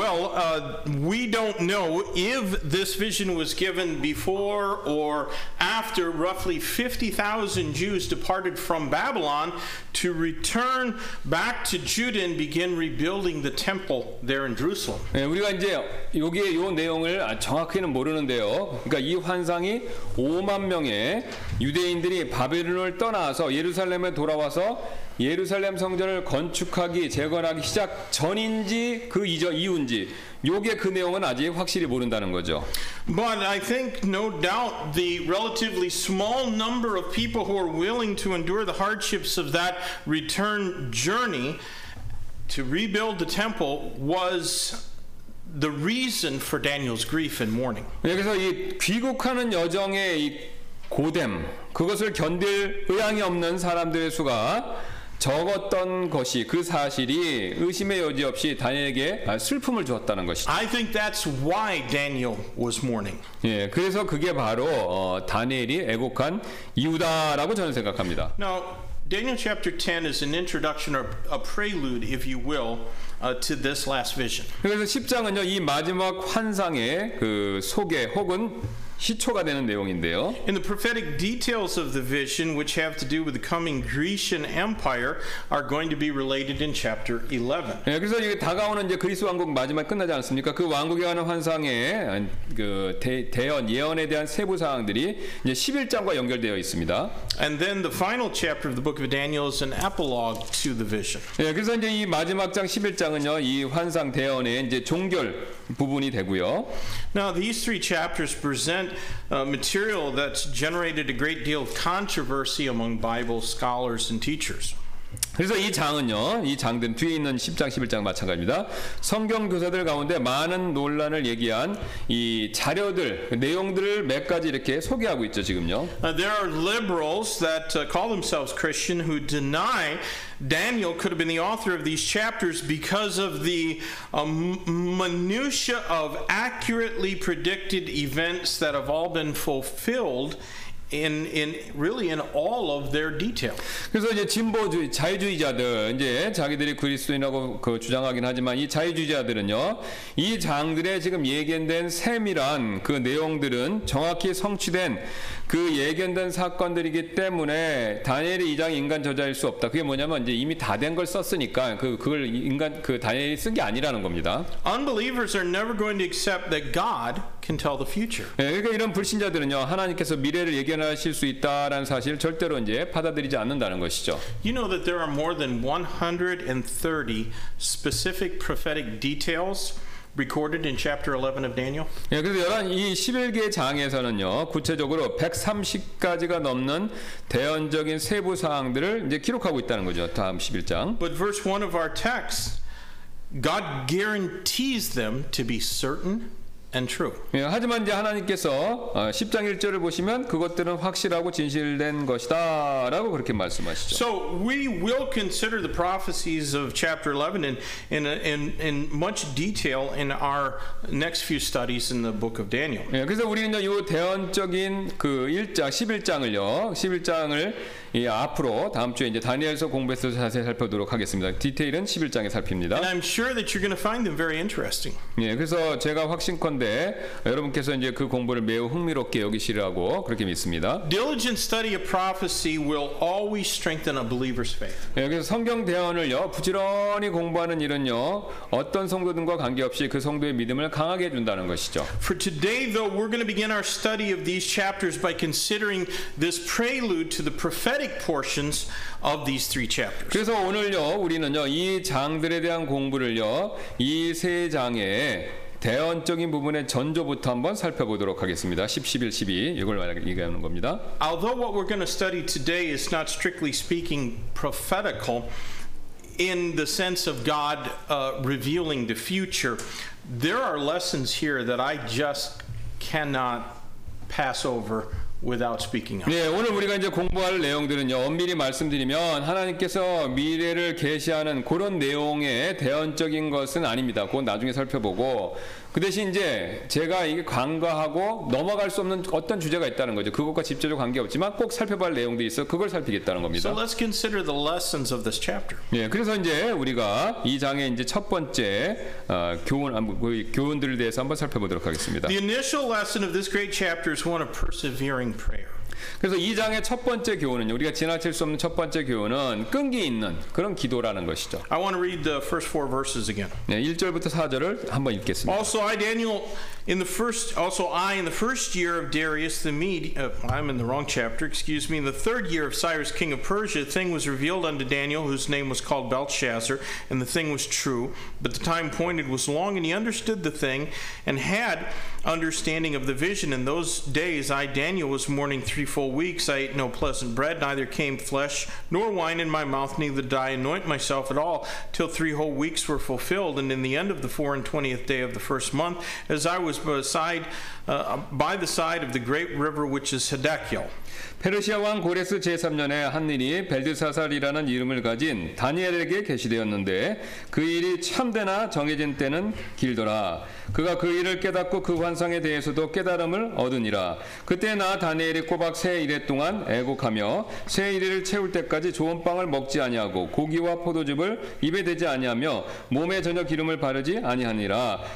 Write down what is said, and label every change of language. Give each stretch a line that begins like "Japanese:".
English: Well, we don't know if this vision was given before or after roughly 50,000 Jews departed from Babylon to return back to Judah and begin rebuilding the temple there in Jerusalem.
Korean: 네, 우리가 이제 여기에 요 내용을 정확히는 모르는데요. 그러니까 이 환상이 5만 명의 유대인들이 바벨론을 떠나서 예루살렘에 돌아와서 예루살렘 성전을 건축하기 재건하기 시작 전인지 그 이전 이후인지 요게 그 내용은 아직 확실히 모른다는 거죠.
English: But I think no doubt the relatively small number of people who are willing to endure the hardships of that return journey to rebuild the temple was the reason for Daniel's grief and mourning.
Korean: 그래서 이 귀국하는 여정의 이 고됨 그것을 견딜 의향이 없는 사람들의 수가 적었던 것이 그 사실이 의심의 여지 없이 다니엘에게 슬픔을 주었다는 것이죠.
English: I think that's why Daniel was mourning.
Korean: 예, 그래서 그게 바로 다니엘이 애곡한 이유다라고 저는 생각합니다.
English: Now, Daniel chapter 10 is an introduction or a prelude, if you will, to this last vision.
Korean: 그래서 10장은요, 이 마지막 환상의 그 소개 혹은 시초가 되는 내용인데요.
English: In the prophetic details of the vision, which have to do with the coming Grecian Empire, are going to be related in chapter 11.
Korean: 예, 그래서 이게 다가오는 이제 그리스 왕국 마지막 끝나지 않습니까? 그 왕국에 관한 환상의 그 대언 예언에 대한 세부 사항들이 이제 11장과 연결되어 있습니다.
English: And then the final chapter of the book of Daniel is an epilogue to the vision.
Korean: 예, 그래서 이제 이 마지막 장 11장은요, 이 환상 대언의 이제 종결 부분이 되고요.
English: Now these three chapters present material that's generated a great deal of controversy among Bible scholars and teachers.
Korean: 그래서 이 장은요, 이 장든 뒤에 있는 10장, 11장 마찬가지입니다. 성경 교사들 가운데 많은 논란을 얘기한 이 자료들, 내용들을 몇 가지 이렇게 소개하고 있죠, 지금요.
English: There are liberals that call themselves Christian who deny Daniel could have been the author of these chapters because of the minutia of accurately predicted events that have all been fulfilled in all of their detail.
Korean: 그래서 이제 진보주의 자유주의자들 이제 자기들이 그리스도인이라고 그 주장하긴 하지만 이 자유주의자들은요. 이 장들의 지금 예견된 세밀한 그 내용들은 정확히 성취된 그 예견된 사건들이기 때문에 다니엘이 이 장 인간 저자일 수 없다. 그게 뭐냐면 이제 이미 다 된 걸 썼으니까 그걸 인간 그 다니엘이 쓴 게 아니라는 겁니다.
English: Unbelievers are never going to accept that God can tell the future.
Korean: 예, 그러니까 이런 불신자들은요. 하나님께서 미래를 예견하실 수 있다라는 사실 절대로 이제 받아들이지 않는다는 것이죠.
English: You know that there are more than 130 specific prophetic details recorded in chapter 11 of Daniel.
Korean: 예, 그래서 이 11개 장에서는요. 구체적으로 130가지가 넘는 대언적인 세부 사항들을 이제 기록하고 있다는 거죠. 다음 11장.
English: But verse 1 of our text, God guarantees them to be certain. And true.
Korean: 예, 하지만 이제 하나님께서 10장 1절을 보시면 그것들은 확실하고 진실된 것이다 라고 그렇게 말씀하시죠.
English: So we will consider the prophecies of chapter 11 in much detail in our next few studies in the book of Daniel.
Korean: 예, 그래서 우리는 이 대언적인 그 1장 11장을요. 11장을 이 앞으로 다음 주에 이제 다니엘서 공부해서 자세히 살펴보도록 하겠습니다. 디테일은 11장에 살핍니다.
English: And I'm sure that you're going to find them very interesting.
Korean: 예, 그래서 제가 확신컨대 하는데 여러분께서 이제 그 공부를 매우 흥미롭게 여기시라고 그렇게 믿습니다.
English: Diligent study of prophecy will always strengthen a believer's faith.
Korean: 여기서 성경 대언을요 부지런히 공부하는 일은요 어떤 성도들과 관계없이 그 성도의 믿음을 강하게 해준다는 것이죠.
English: For today, though, we're going to begin our study of these chapters by considering this prelude to the prophetic portions of these three chapters.
Korean: 그래서 오늘요 우리는요 이 장들에 대한 공부를요 이 세 장의 대언적인 부분의 전조부터 한번 살펴보도록 하겠습니다. 10, 11, 12 이걸 얘기하는 겁니다.
English: Although what we're going to study today is not strictly speaking prophetical in the sense of God revealing the future, there are lessons here that I just cannot pass over without speaking up.
Korean: 네, 오늘 우리가 이제 공부할 내용들은요. 엄밀히 말씀드리면 하나님께서 미래를 계시하는 그런 내용의 대언적인 것은 아닙니다. 그건 나중에 살펴보고 그 대신 이제 제가 이게 간과하고 넘어갈 수 없는 어떤 주제가 있다는 거죠. 그것과 직접적 관계 없지만 꼭 살펴볼 내용들이 있어 그걸 살피겠다는 겁니다.
English: So let's consider the lessons of this chapter.
Korean: 네, 그래서 이제 우리가 이 장의 이제 첫 번째 교훈들에 대해서 한번 살펴보도록 하겠습니다.
English: The initial lesson of this great chapter is one of persevering prayer.
Korean: 그래서 이 장의 첫 번째 교훈은요. 우리가 지나칠 수 없는 첫 번째 교훈은 끈기 있는 그런 기도라는 것이죠.
English: I want to read the first four verses again.
Korean: 네, 1절부터 4절을 한번 읽겠습니다.
English: In the third year of Cyrus king of Persia, a thing was revealed unto Daniel, whose name was called Belshazzar, and the thing was true, but the time appointed was long, and he understood the thing, and had understanding of the vision. In those days I, Daniel, was mourning three full weeks. I ate no pleasant bread, neither came flesh nor wine in my mouth, neither did I anoint myself at all, till three whole weeks were fulfilled. And in the end of the 24th day of the first month, as I was by the side of the great river which is Hiddekel.
Korean: 페르시아 왕 고레스 제3년에 한 일이 벨드사살이라는 이름을 가진 다니엘에게 계시되었는데 그 일이 참되나 정해진 때는 길더라. 그가 그 일을 깨닫고 그 환상에 대해서도 깨달음을 얻으니라. 그때 나 다니엘이 꼬박 새 일회 동안 애곡하며 새 일회를 채울 때까지 좋은 빵을 먹지 아니하고 고기와 포도즙을 입에 대지 아니하며 몸에 전혀 기름을 바르지 아니하니라.